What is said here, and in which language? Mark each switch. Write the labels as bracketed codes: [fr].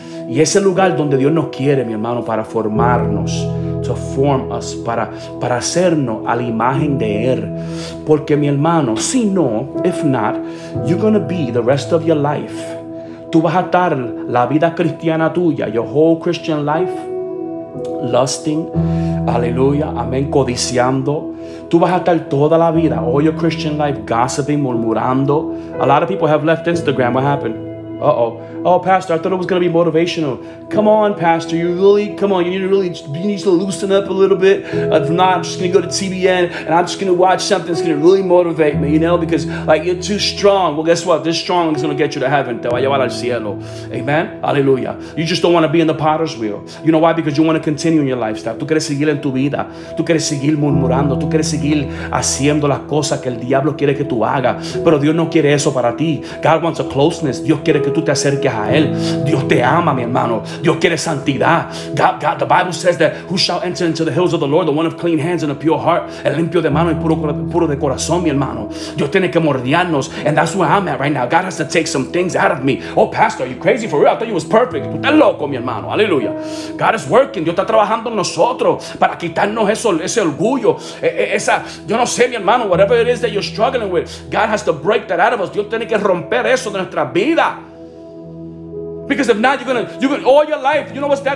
[es] Y ese lugar donde Dios nos quiere, mi hermano, para formarnos, [en] to form us, [es] para hacernos a la imagen de Él. Porque, mi hermano, si no, [en] if not, you're going to be the rest of your life. [es] Tú vas a estar la vida cristiana tuya, [en] your whole Christian life, lusting, [es] aleluya, amén, codiciando. Tú vas a estar toda la vida, [en] all your Christian life, gossiping, [es] murmurando. [en] A lot of people have left Instagram. What happened? Oh, pastor, I thought it was going to be motivational. Come on, pastor, you need to loosen up a little bit. If not, I'm just going to go to TBN, and I'm just going to watch something that's going to really motivate me, you know, because, like, you're too strong. Well, guess what? This strong is going to get you to heaven. [es] Te va a llevar al cielo. [en] Amen? Hallelujah. You just don't want to be in the potter's wheel. You know why? Because you want to continue in your lifestyle. [es] Tú quieres seguir en tu vida. Tú quieres seguir murmurando. Tú quieres seguir haciendo las cosas que el diablo quiere que tú hagas. Pero Dios no quiere eso para ti. [en] God wants a closeness. [es] Dios quiere que tú te acerques a Él. Dios te ama, mi hermano. Dios quiere santidad. [en] God, the Bible says that who shall enter into the hills of the Lord, the one of clean hands and a pure heart. [es] El limpio de mano y puro de corazón, mi hermano. Dios tiene que mordiarnos. [en] And that's where I'm at right now. God has to take some things out of me. Oh, pastor, are you crazy for real? I thought you was perfect. [es] Tú estás loco, mi hermano. Aleluya. [en] God is working. [es] Dios está trabajando en nosotros para quitarnos eso, ese orgullo. Esa, yo no sé, mi hermano, [en] whatever it is that you're struggling with, God has to break that out of us. [es] Dios tiene que romper eso de nuestra vida. [en] Because if not, you're gonna all your life, you know what's that?